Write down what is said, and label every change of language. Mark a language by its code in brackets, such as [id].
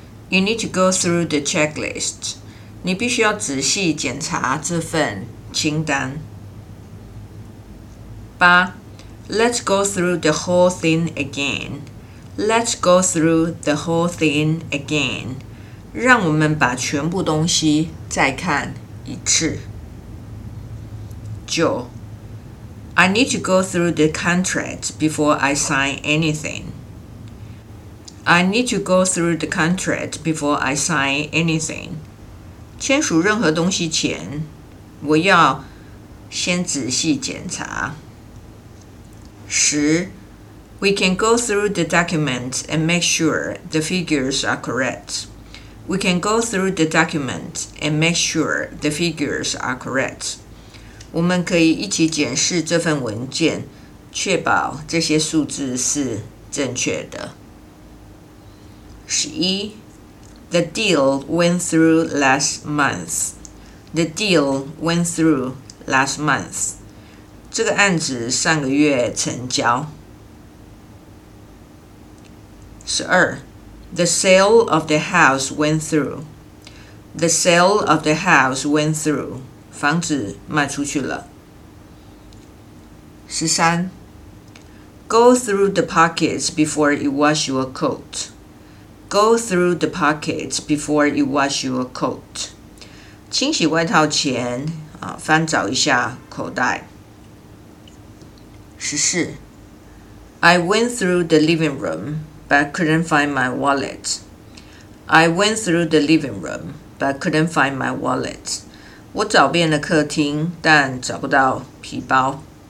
[en] You need to go through the checklist. [zh] 你必须要仔细检查这份清单。 [en] 八 ，Let's go through the whole thing again. Let's go through the whole thing again. [zh] 让我们把全部东西再看一次。 [en] 九 ，I need to go through the contract before I sign anything. I need to go through the contract before I sign anything. [zh] 签署任何东西前，我要先仔细检查。 [en] 十 ，We can go through the documents and make sure the figures are correct. We can go through the documents and make sure the figures are correct. [zh] 我们可以一起检视这份文件，确保这些数字是正确的。 [en] 11. The deal went through last month. The deal went through last month. [zh] 这个案子上个月成交。 [en] 12. The sale of the house went through. The sale of the house went through. [zh] 房子卖出去了。 13. [en] Go through the pockets before you wash your coat. Go through the pockets before you wash your coat. [zh] 清洗外套前，翻找一下口袋。 14. [en] I went through the living room, but couldn't find my wallet. I went through the living room, but couldn't find my wallet. [zh] 我找遍了客厅，但找不到皮包。